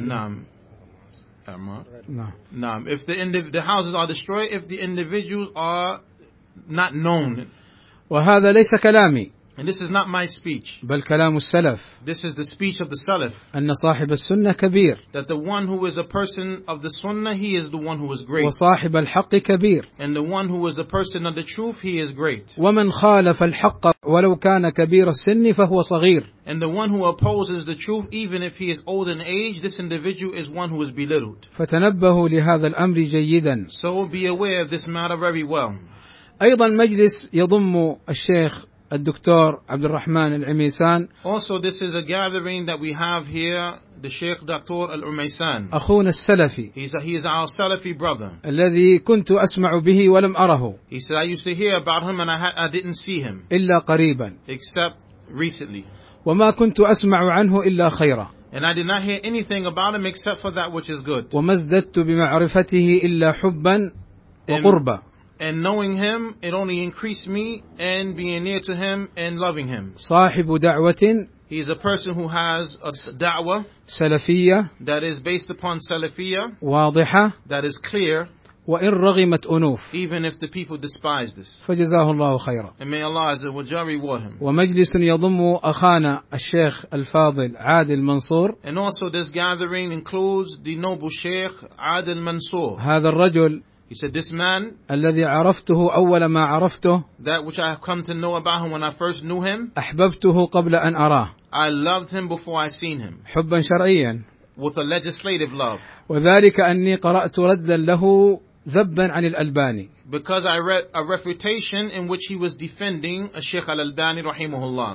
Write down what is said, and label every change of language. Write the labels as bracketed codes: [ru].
[ar] نعم. أعمار. نعم. [en] If the houses are destroyed, if the individuals are not known. [ar] وهذا ليس كلامي. [en] And this is not my speech. [ar] بل كلام السلف. [en] This is the speech of the Salaf. [ar] أن صاحب السنة كبير. [en] That the one who is a person of the Sunnah, he is the one who is great. [ar] وصاحب الحق كبير. [en] And the one who is the person of the truth, he is great. [ar] ومن خالف الحق ولو كان كبير السن فهو صغير. [en] And the one who opposes the truth, even if he is old in age, this individual is one who is belittled. [ar] فتنبهوا لهذا الأمر جيدا. [en] So be aware of this matter very well. [ar] أيضا مجلس يضم الشيخ الدكتور عبد الرحمن العميسان. [en] Also this is a gathering that we have here, the Sheikh Dr. Al-Umaysan. [ar] أخونا السلفي. [en] He is our Salafi brother. [ar] الذي كنت أسمع به ولم أره. [en] He said I used to hear about him and I didn't see him. [ar] إلا قريبا. [en] Except recently. [ar] وما كنت أسمع عنه إلا خيرا. [en] And I did not hear anything about him except for that which is good. [ar] وما ازددت بمعرفته إلا حبا وقربا. [en] And knowing him, it only increased me and being near to him and loving him. [ar] صاحب دعوة. [en] He is a person who has a da'wah [ar] سلفية [en] that is based upon سلفية [ar] واضحة [en] that is clear [ar] وإن رغمت أنوف [en] even if the people despise this. [ar] فجزاه الله خيرا. [en] And may Allah Azza wa Jalla reward him. [ar] ومجلس يضم أخانا الشيخ الفاضل عادل منصور. [en] And also this gathering includes the noble Sheikh عادل منصور. [ar] هذا الرجل [en] He said, this man, [ar] الذي عرفته أول ما عرفته, [en] that which I have come to know about him when I first knew him, [ar] أحببته قبل أن أراه, [en] I loved him before I seen him, [ar] حبا شرعيا, [en] with a legislative love, [ar] وذلك أني قرأت ردا له ذبا عن الألباني, [en] because I read a refutation in which he was defending a Sheikh al-Albani [ar] رحمه الله,